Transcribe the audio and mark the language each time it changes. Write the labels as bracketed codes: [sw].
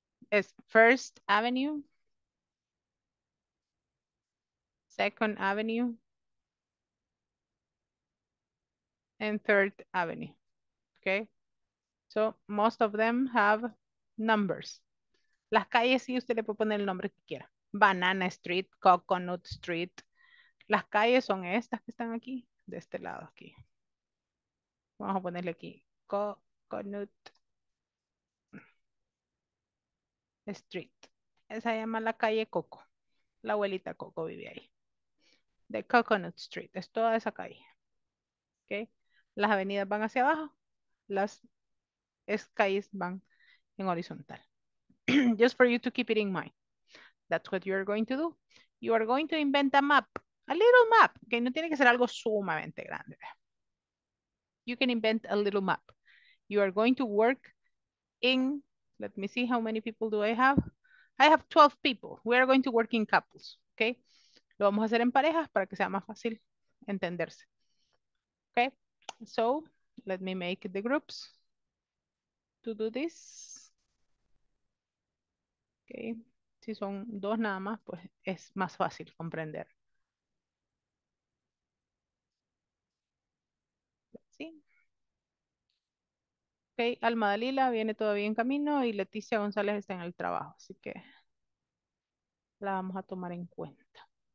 [en] Es first avenue, second avenue, and third avenue. Okay. So most of them have numbers. [es] Las calles sí usted le puede poner el nombre que quiera. Banana Street, Coconut Street. Las calles son estas que están aquí, de este lado aquí. Vamos a ponerle aquí Coconut Street. Esa se llama la calle Coco. La abuelita Coco vive ahí. De Coconut Street. Es toda esa calle. ¿Okay? Las avenidas van hacia abajo. Las calles van en horizontal. [en] Just for you to keep it in mind. That's what you are going to do. You are going to invent a map. A little map. Okay? [es] No tiene que ser algo sumamente grande. [en] You can invent a little map. You are going to work in... Let me see how many people do I have. I have 12 people. We are going to work in couples. Okay? [es] Lo vamos a hacer en parejas para que sea más fácil entenderse. [en] Okay? So, let me make the groups to do this. Okay. [es] Si son dos nada más, pues es más fácil comprender. Sí. Ok, Alma Dalila viene todavía en camino y Leticia González está en el trabajo, así que la vamos a tomar en cuenta.